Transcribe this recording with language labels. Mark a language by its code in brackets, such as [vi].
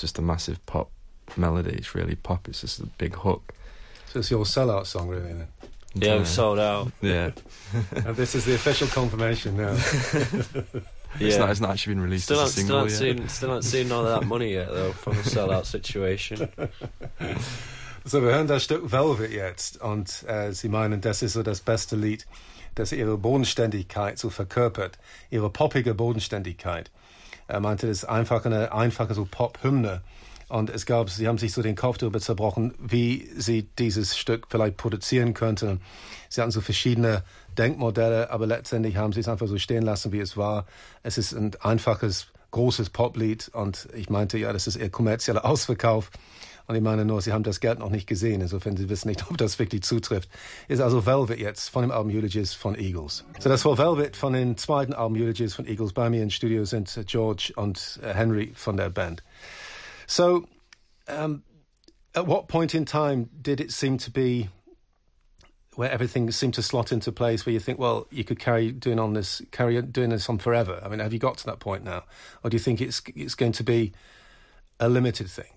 [en] It's just a massive pop melody. It's really pop. It's just a big hook. So it's your sellout song, really, then? Yeah, we've sold out. Yeah. And this is the official confirmation now. It's not actually been released still as a single still yet. Still haven't seen all that money yet, though, from the sellout situation. [de] So wir hören das Stück Velvet jetzt, und Sie meinen, das ist so das beste Lied, das ihre Bodenständigkeit so verkörpert, ihre poppige Bodenständigkeit. Er meinte, das ist einfach eine einfache so Pop-Hymne, Und es gab, sie haben sich so den Kopf darüber zerbrochen, wie sie dieses Stück vielleicht produzieren könnten. Sie hatten so verschiedene Denkmodelle, aber letztendlich haben sie es einfach so stehen lassen, wie es war. Es ist ein einfaches, großes Poplied und ich meinte, ja, das ist eher kommerzieller Ausverkauf. Und ich meine nur, sie haben das Geld noch nicht gesehen, insofern sie wissen nicht, ob das wirklich zutrifft. Ist also Velvet jetzt von dem Album Eulogies von Eagles. So, das war Velvet von dem zweiten Album Eulogies von Eagles. Bei mir im Studio sind George und Henry von der Band. [en] So, at what point in time did it seem to be where everything seemed to slot into place, where you think, well, you could carry doing this on forever? I mean, have you got to that point now? Or do you think it's going to be a limited thing?